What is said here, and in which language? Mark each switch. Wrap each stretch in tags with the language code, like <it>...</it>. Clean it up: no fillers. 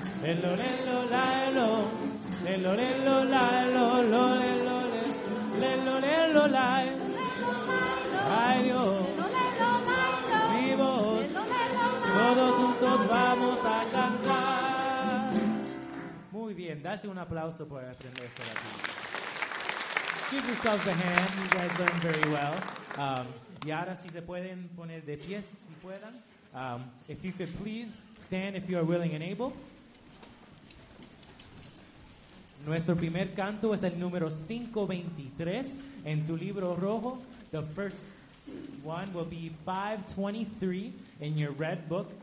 <es>Lelo, lelo, laelo. Lelo, lelo, laelo. Lelo, lelo, lelo. Lelo, lelo, Lelo, lelo, laelo. Lelo, lelo, laelo. Todos juntos vamos a cantar. Muy bien, dase un aplauso por aprender sobre ti.</es> <en>Give yourselves a hand, you guys learned very well.</en> <es>Y ahora si se pueden poner de pie, si puedan.</es> <en>If you could please stand if you are willing and able.</en> <es>Nuestro primer canto es el número 523 en tu libro rojo.</es> <en>The first one will be 523 in your red book.</en>